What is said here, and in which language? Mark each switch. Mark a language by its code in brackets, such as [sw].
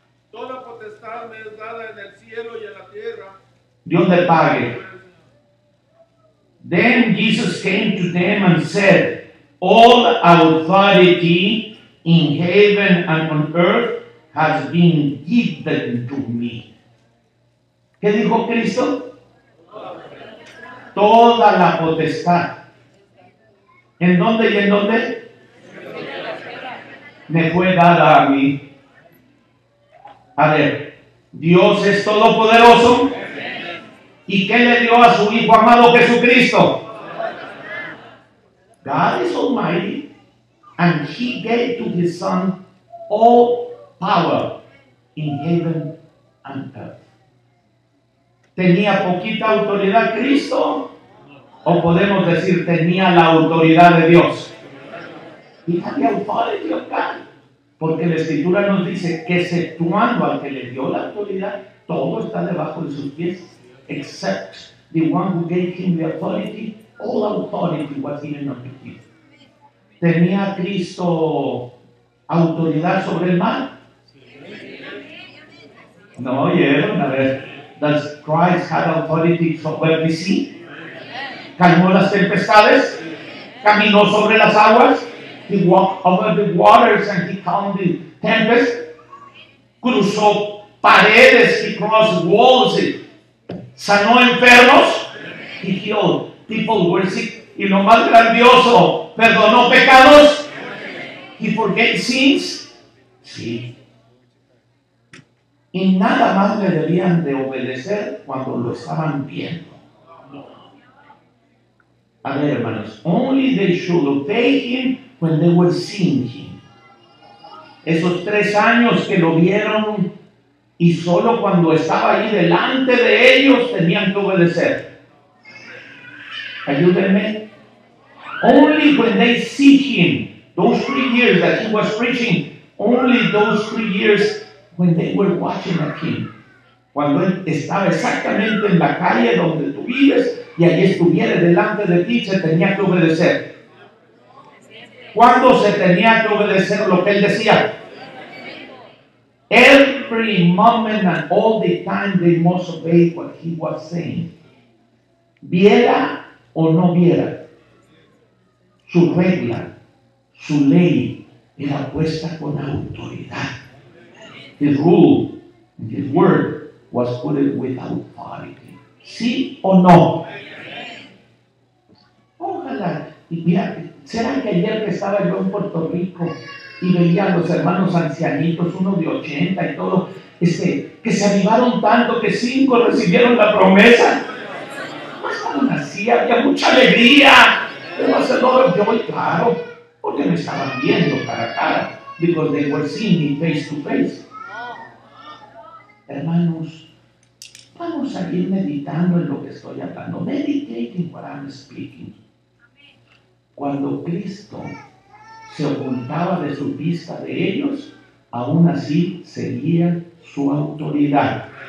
[es] Toda potestad me es dada en el cielo y en la tierra. Dios le pague. [en] Then Jesus came to them and said, all authority in heaven and on earth has been given to me. [es] ¿Qué dijo Cristo? Toda la potestad. ¿En dónde y en dónde? Me fue dada a mí. A ver, Dios es todopoderoso. ¿Y qué le dio a su hijo amado Jesucristo? [en] God is almighty and he gave to his son all power in heaven and earth. [es] ¿Tenía poquita autoridad Cristo? ¿O podemos decir tenía la autoridad de Dios? [en] He had the authority of God. [es] Porque la Escritura nos dice que exceptuando al que le dio la autoridad, todo está debajo de sus pies. [en] Except the one who gave him the authority, all authority was given unto him. [es] ¿Tenía Cristo autoridad sobre el mal? No, oyeron, a ver. [en] Does Christ have authority over the sea? [es] ¿Calmó las tempestades? ¿Caminó sobre las aguas? [en] He walked over the waters and he calmed the tempest. [es] Cruzó paredes, [en] he crossed walls. [es] Sanó enfermos. [en] He healed people who were sick. [es] Y lo más grandioso, perdonó pecados. [en] He forgave sins. Sí. [es] Y nada más le debían de obedecer cuando lo estaban viendo. A ver, hermanos, [en] only they should obey him when they were seeing him. [es] Esos 3 años que lo vieron y solo cuando estaba ahí delante de ellos tenían que obedecer. Ayúdenme. Only when they see him, those 3 years that he was preaching, only those 3 years when they were watching at him. Cuando él estaba exactamente en la calle donde tú vives y allí estuviera delante de ti, se tenía que obedecer. ¿Cuándo se tenía que obedecer lo que él decía? [en] Every moment and all the time they must obey what he was saying. [es] Viera o no viera, su regla, su ley era puesta con autoridad. [en] His rule and his word was put in with authority. [es] ¿Sí o no? Ojalá. Y mira, ¿será que ayer que estaba yo en Puerto Rico y veía a los hermanos ancianitos, uno de 80 y todo, que se avivaron tanto que 5 recibieron la promesa? Pues aún así había mucha alegría. Pero hace todo yo voy claro, porque me estaban viendo cara a cara. [en] Because they were seeing me face to face. [es] Hermanos, vamos a ir meditando en lo que estoy hablando. [en] Meditating what I'm speaking. [es] Cuando Cristo se ocultaba de su vista de ellos, aún así seguía su autoridad.